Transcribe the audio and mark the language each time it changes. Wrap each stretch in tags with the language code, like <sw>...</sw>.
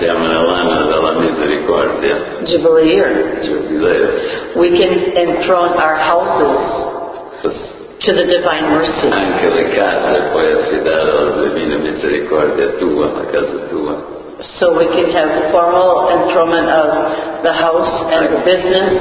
<it>Siamo nell'anno della misericordia.</it> <en>Jubilee year.</en> <it>Jubileo.</it> <en>We can enthrone our houses to the divine mercy.</en> <it>Anche le case puoi affidare alla divina misericordia tua, la casa tua.</it> <en>So we can have formal enthronement of the house and the business.</en>